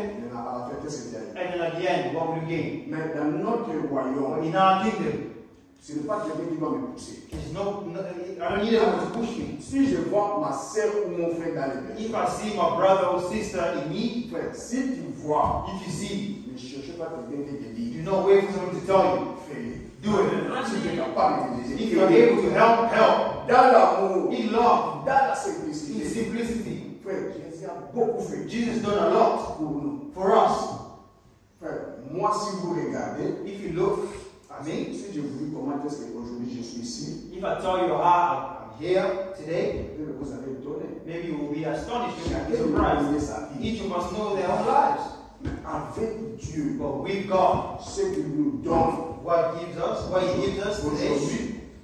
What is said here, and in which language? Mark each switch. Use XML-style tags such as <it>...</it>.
<en>And then at the end, what will you gain? Not in our kingdom.</en> <fr>Si je vois ma sœur ou mon frère dans les</fr> <en>pêches, if I see my brother or sister in need,</en> <fr>frère, si tu vois,</fr> <en>if you see,</en> <fr>ne cherche pas quelqu'un qui te dit,</fr> <en>do not wait for someone to tell you,</en> <fr>frère,</fr> <en>do it.</en> <fr>Si tu es capable de dire,</fr> <en>if you are able to help,</en> <fr>dans l'amour,</fr> <en>in love,</en> <fr>dans la simplicité,</fr> <en>in simplicity,</en> <fr>frère, Jésus a beaucoup fait.</fr> <en>Jesus done a lot</en> <fr>pour nous,</fr> <en>for us.</en> <fr>Frère, moi si vous regardez,</fr> <en>if you look.</en> <fr>Si je vous dis comment est-ce qu'aujourd'hui je suis ici,</fr> <en>if I tell you how I'm here today,</en> <fr>peut-être vous allez étonner.</fr> <en>Maybe you will be astonished, you will be surprised. Each of us know their own lives.</en> <fr>Avec Dieu,</fr> <en>but with God,</en> <fr>ce que nous donne,</fr> <en>what gives us, what He gives us today,</en>